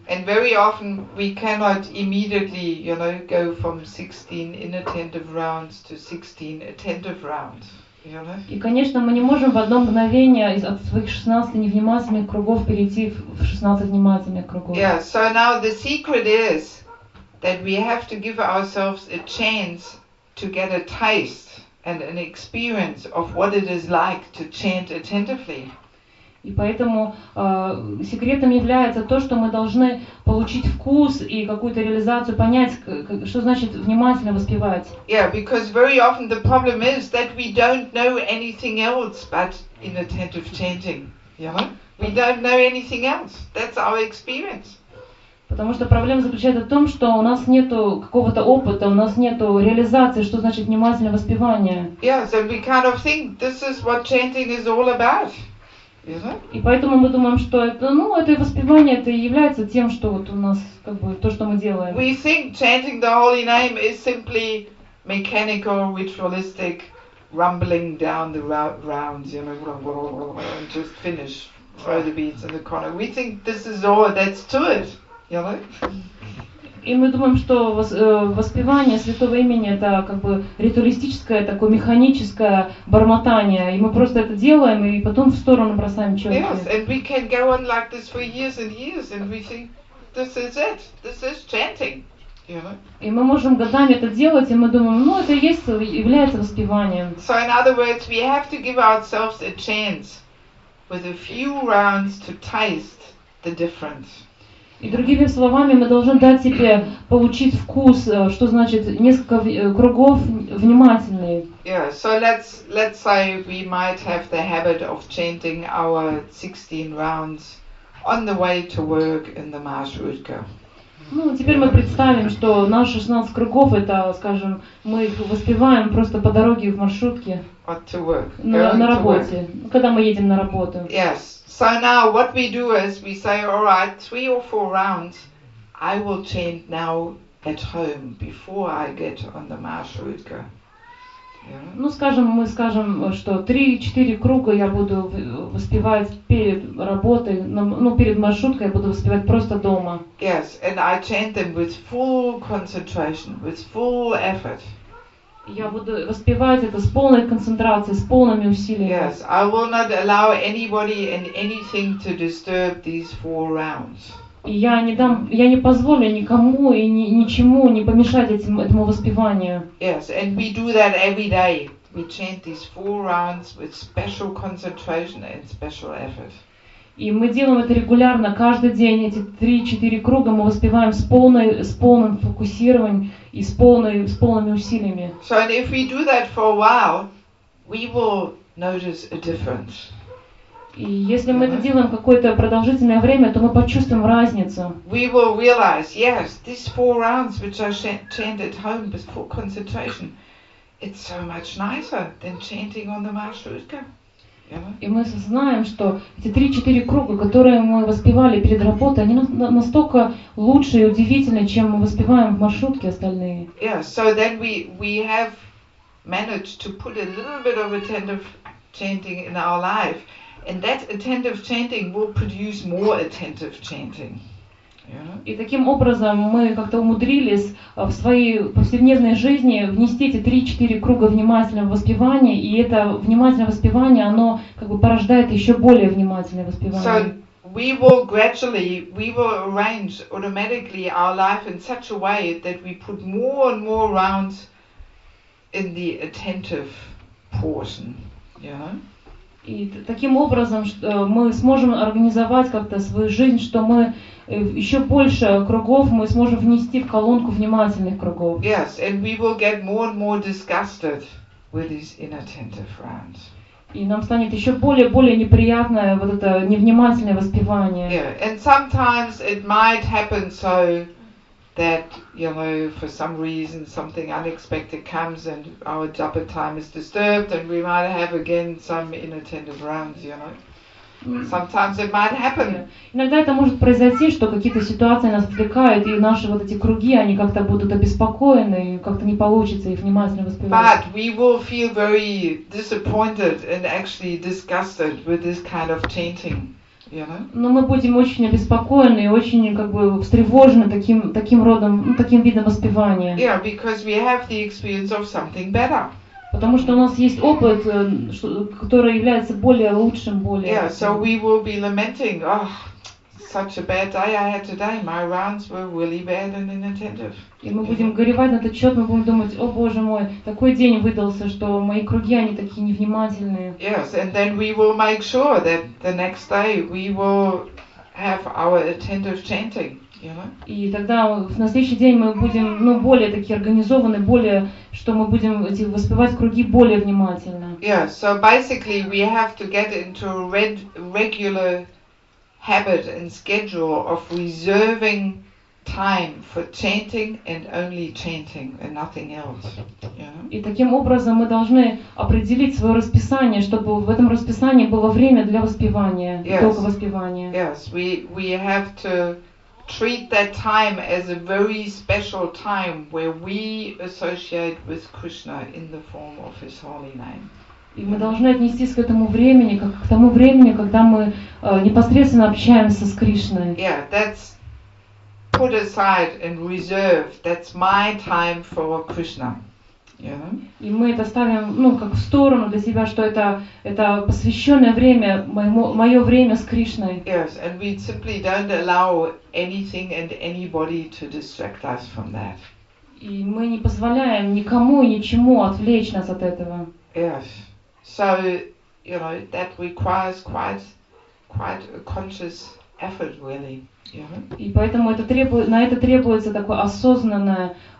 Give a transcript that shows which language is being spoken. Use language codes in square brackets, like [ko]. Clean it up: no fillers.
[en] And very often we cannot immediately, you know, go from 16 inattentive rounds to 16 attentive rounds. You know? [ru] И, конечно, мы не можем в одно мгновение из от своих 16 невнимательных кругов перейти в 16 внимательных кругов. [en] Yeah, so now the secret is that we have to give ourselves a chance to get a taste and an experience of what it is like to chant attentively. [ru] И поэтому секретом является то, что мы должны получить вкус и какую-то реализацию, понять, что значит внимательно воспевать. [en] Yeah, because very often the problem is that we don't know anything else but inattentive chanting. Yeah? We don't know anything else. That's our experience. [ru] Потому что проблема заключается в том, что у нас нету какого-то опыта, у нас нету реализации, что значит внимательное воспевание. [en] Yeah, so we kind of think this is what chanting is all about. [ru] И поэтому мы думаем, что это, ну, это воспевание, это и является тем, что вот у нас, как бы, то, что мы делаем. [en] We think chanting the holy name is simply mechanical, ritualistic, rumbling down the rounds, you know, just finish, throw the beads in the corner. We think this is all that's to it, you know? [ru] И мы думаем, что воспевание святого имени – это как бы ритуалистическое, такое механическое бормотание. И мы просто это делаем, и потом в сторону бросаем чёрт. [en] Yes, and we can go on like this for years and years, and we think, this is it, this is chanting, you know? [ru] И мы можем годами это делать, и мы думаем, ну, это и есть, является воспеванием. [en] So, in other words, we have to give ourselves a chance with a few rounds to taste the difference. [ru] И другими словами, мы должны дать себе получить вкус, что значит несколько кругов внимательные. [en] Yeah, so let's say we might have the habit of chanting our 16 rounds on the way to work in the marshrutka. [ru] Ну, теперь мы представим, что наши 16 кругов, это, скажем, мы их воспеваем просто по дороге в маршрутке. [en] Or to work. [ru] На работе. Когда мы едем на работу. [en] Yes. So now what we do is we say, all right, 3 or 4 rounds, I will chant now at home before I get on the marshrutka. [ru] Ну, скажем, мы скажем, что 3-4 круга я буду воспевать перед работой, ну, перед маршруткой я буду воспевать просто дома. [en] Yes, and I chant them with full concentration, with full effort. [ru] Я буду воспевать это с полной концентрацией, с полными усилиями. [en] Yes, I will not allow anybody and anything to disturb these 4 rounds. [ru] И я не позволю никому и ничему не помешать этому воспеванию. [en] Yes, and we do that every day. We chant these 4 rounds with special concentration and special effort. [ru] И мы делаем это регулярно, каждый день эти 3-4 круга мы воспеваем с полным фокусированием и с полными усилиями. [en] So, and if we do that for a while, we will notice a difference. [ru] И если мы это делаем какое-то продолжительное время, то мы почувствуем разницу. [en] We will realize, yes, these 4 rounds which I chant at home with full concentration, it's so much nicer than chanting on the marshrutka. [ru] И мы осознаем, что эти 3-4 круга, которые мы воспевали перед работой, они настолько лучше и удивительны, чем мы воспеваем в маршрутке остальные. [en] Yeah, so then we have managed to put a little bit of attentive chanting in our life. And that attentive chanting will produce more attentive chanting. [ru] И таким образом мы как-то умудрились в своей повседневной жизни внести эти 3-4 круга внимательного воспевания, и это внимательное воспевание, оно как бы порождает еще более внимательное воспевание. [en] So we will gradually, we will arrange automatically our life in such a way that we put more and more rounds in the attentive portion. Yeah. [ru] И таким образом мы сможем организовать как-то свою жизнь, что мы еще больше кругов мы сможем внести в колонку внимательных кругов. [en] Yes, and we will get more and more disgusted with these inattentive rounds. [ru] И нам станет еще более неприятное вот это невнимательное воспевание. [en] Yeah, and sometimes it might happen so that, you know, for some reason something unexpected comes and our japa time is disturbed and we might have again some inattentive rounds, you know. Sometimes it might happen. [ru] Иногда это может произойти, что какие-то ситуации нас отвлекают, и наши вот эти круги, они как-то будут обеспокоены, и как-то не получится их внимательно воспевать. [en] But we will feel very disappointed and actually disgusted with this kind of chanting. [ru] Но мы будем очень обеспокоены и очень как бы встревожены таким родом, ну, таким видом воспевания. [en] Yeah, because we have the experience of something better. [ru] Потому что у нас есть опыт, который является более лучшим, более. [en] Yeah, so we will be lamenting, oh, such a bad day I had today. My rounds were really bad and inattentive. [ru] И мы будем горевать на этот счет, мы будем думать, о боже мой, такой день выдался, что мои круги, они такие невнимательные. [en] Yes, and then we will make sure that the next day we will have our attentive chanting. [ru] И тогда в следующий день мы будем, ну, более такие организованы, более, что мы будем эти воспевать круги более внимательно. [en] Yeah, so basically we have to get into a regular habit and schedule of reserving time for chanting and only chanting and nothing else. [ru] И таким образом мы должны определить свое расписание, чтобы в этом расписании было время для воспевания, только воспевания. [en] Yes, we have to treat that time as a very special time where we associate with Krishna in the form of his holy name. [ru] И мы должны отнестись к этому времени, как к тому времени, когда мы непосредственно общаемся с Кришной. [en] Yeah, that's put aside and reserved. That's my time for Krishna. [ru] И мы это ставим, ну, как в сторону для себя, что это посвященное время, мое время с Кришной. [en] Yes, and we simply don't allow anything and anybody to distract us from that. [ru] И мы не позволяем никому и ничему отвлечь нас от этого. [en] Yes, so, you know, that requires quite a conscious effort, really. [ru] И поэтому на это требуется такое осознанное...